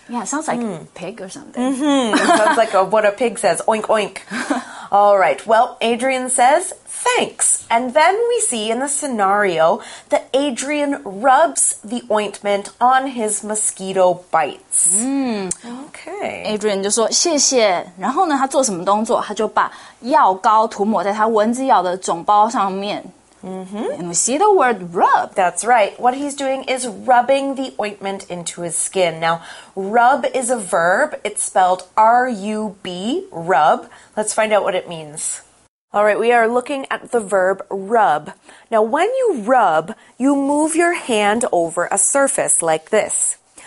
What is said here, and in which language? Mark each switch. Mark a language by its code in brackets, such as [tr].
[en] Yeah, sounds like pig or something. Sounds like what a pig says, oink oink. All right, well, Adrian says, thanks. And then we see in the scenario that Adrian rubs the ointment on his mosquito bites. [zh] Adrian 就说谢谢，然后呢，他做什么动作？他就把药膏涂抹在他蚊子咬的肿包上面。 [en] And we see the word rub. That's right. What he's doing is rubbing the ointment into his skin. Now, rub is a verb. It's spelled R-U-B, rub. Let's find out what it means. All right, we are looking at the verb rub. Now, when you rub, you move your hand over a surface like this.